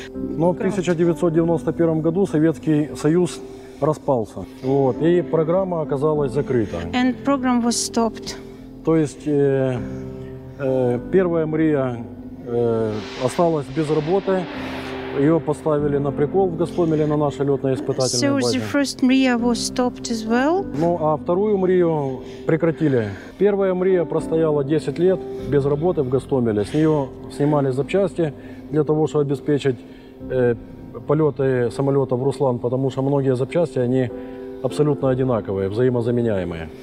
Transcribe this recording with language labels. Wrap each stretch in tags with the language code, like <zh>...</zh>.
<ru>Но в 1991 году Советский Союз распался, вот, и программа оказалась закрыта.</ru> <en>And program was stopped.</en> <ru>То есть первая «Мрия» осталась без работы, ее поставили на прикол в Гастомеле на нашей летно-испытательной базе.</ru> <en>So the first «Мрия» was stopped as well.</en> <ru>Ну, а вторую «Мрию» прекратили. Первая «Мрия» простояла 10 лет без работы в Гастомеле. С нее снимали запчасти для того, чтобы обеспечить полеты самолета в «Руслан», потому что многие запчасти, они абсолютно одинаковые, взаимозаменяемые.</ru>